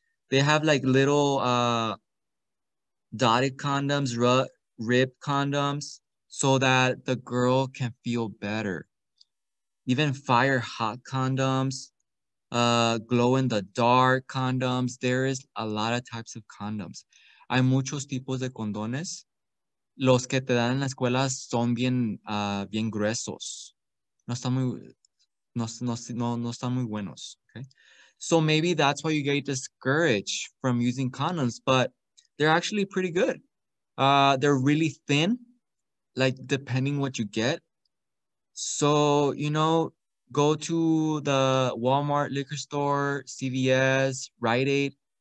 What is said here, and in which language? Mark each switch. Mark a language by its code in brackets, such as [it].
[en] They have like little dotted condoms, rib condoms, so that the girl can feel better. Even fire hot condoms, glow in the dark condoms. There is a lot of types of condoms. [es] Hay muchos tipos de condones. Los que te dan en la escuela son bien, bien gruesos. No están muy buenos. Okay. [en] So maybe that's why you get discouraged from using condoms, but they're actually pretty good. They're really thin, like depending what you get. So, you know, go to the Walmart liquor store, CVS, Rite Aid.